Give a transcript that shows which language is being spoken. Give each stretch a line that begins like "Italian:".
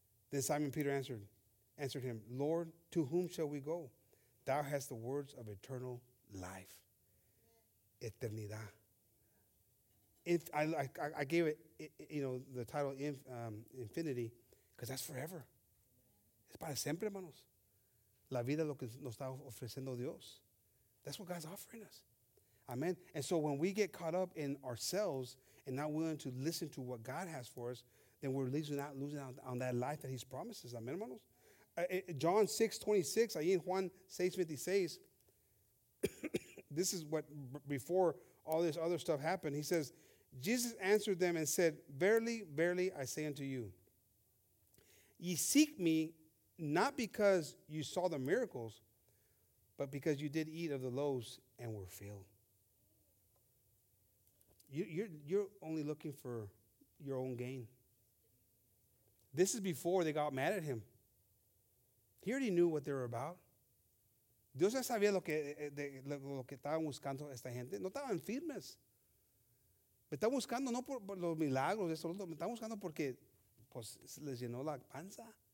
English: Then Simon Peter answered him, Lord, to whom shall we go? Thou hast the words of eternal life. Eternidad. I gave it, you know, the title infinity, because that's forever.
Spanish: Es para siempre, hermanos. La vida lo que nos está ofreciendo Dios.
English: That's what God's offering us. Amen. And so when we get caught up in ourselves and not willing to listen to what God has for us, then we're losing out on that life that he's promised us. Amen, hermanos. John 6:26,
Spanish: ahí en Juan 6:56,
English: this is what, before all this other stuff happened, he says, Jesus answered them and said, verily, verily, I say unto you, ye seek me not because you saw the miracles, but because you did eat of the loaves and were filled. You're only looking for your own gain. This is before they got mad at him. He already knew what they were about.
Spanish: Dios ya sabía lo que estaban buscando esta gente. No estaban firmes. Me están buscando no por los milagros, eso, me están buscando porque pues, les llenó la panza.